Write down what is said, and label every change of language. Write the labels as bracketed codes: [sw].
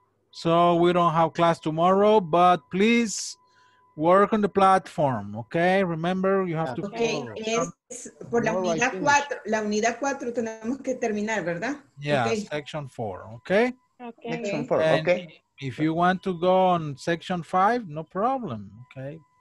[en] So we don't have class tomorrow, but please work on the platform, okay? Remember, you have to. [es] Okay, es por la unidad 4 tenemos que terminar, ¿verdad? [en] Yeah, okay. Section 4, okay? Okay. Section 4, okay. If you want to go on section 5, no problem, okay?